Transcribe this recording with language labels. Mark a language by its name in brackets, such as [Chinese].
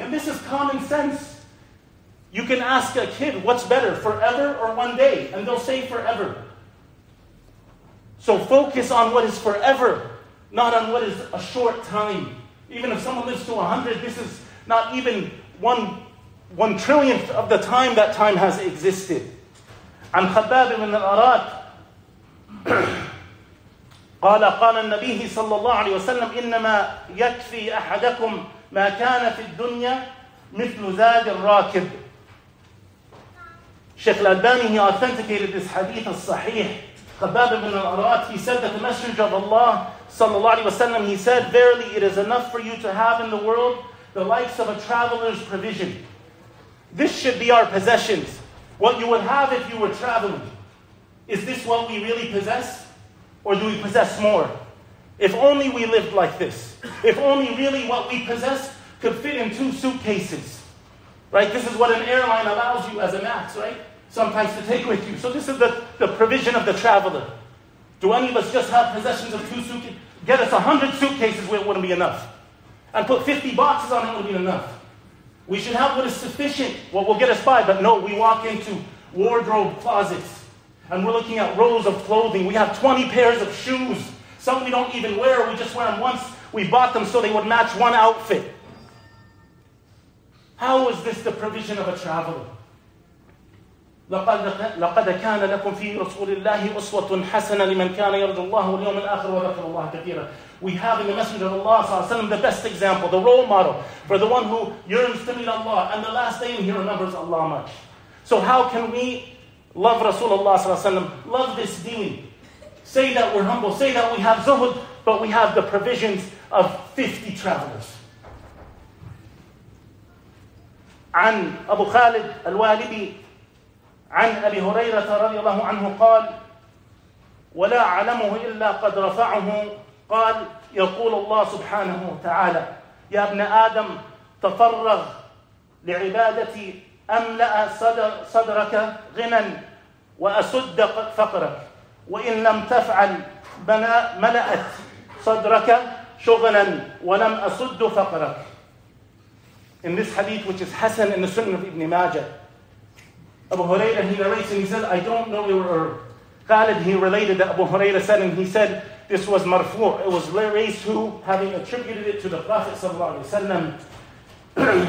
[English] And this is common sense. You can ask a kid, what's better, forever or one day? And they'll say forever. So focus on what is forever, not on what is a short time. Even if someone lives to 100, this is not even one trillionth of the time that time has existed. [Arabic] عن خباب بن الأراد قال قال النبي صلى الله عليه وسلم إنما يكفي أحدكم ما كان في الدنيا مثل زاد الراكب. [English] Sheikh Al-Albani, he authenticated this hadith al-sahih. Khabbab ibn al-Arat, he said that the Messenger of Allah sallallahu alayhi wa sallam, he said, verily it is enough for you to have in the world the likes of a traveler's provision. This should be our possessions. What you would have if you were traveling. Is this what we really possess? Or do we possess more? If only we lived like this. If only really what we possess could fit in two suitcases. Right? This is what an airline allows you as a max, right? Sometimes to take with you. So this is the provision of the traveler. Do any of us just have possessions of two suitcases? Get us 100 suitcases, it wouldn't be enough. And put 50 boxes on it wouldn't be enough. We should have what is sufficient, what will get us by. But no, we walk into wardrobe closets and we're looking at rows of clothing. We have 20 pairs of shoes. Some we don't even wear. We just wear them once. We bought them so they would match one outfit. How is this the provision of a traveler? [Arabic] لقد كان لكم في رسول الله أسوة حسنة لمن كان يرجو الله واليوم الآخر وذكر الله كثيرا. [English] We have in the Messenger of Allah صلى الله عليه وسلم the best example, the role model for the one who yearns to meet Allah and the last day he remembers Allah much. So how can we love Rasulullah صلى الله عليه وسلم, love this deen, say that we're humble, say that we have zuhud, but we have the provisions of 50 travelers. [Arabic] عن أبو خالد الوالدي عن أبي هريرة رضي الله عنه قال ولا أعلمه إلا قد رفعه قال يقول الله سبحانه وتعالى يا ابن آدم تفرغ لعبادتي أملأ صدرك غنى وأسد فقرك وإن لم تفعل ملأت صدرك شغلا ولم أسد فقرك. [English] In this hadith which is Hassan in the Sunnah of Ibn Majah, Abu Hurairah, he narrates and he says, I don't know your herb. Khalid, he related that Abu Hurairah said, and he said, this was marfu', it was raised who, having attributed it to the Prophet sallallahu alayhi wa sallam.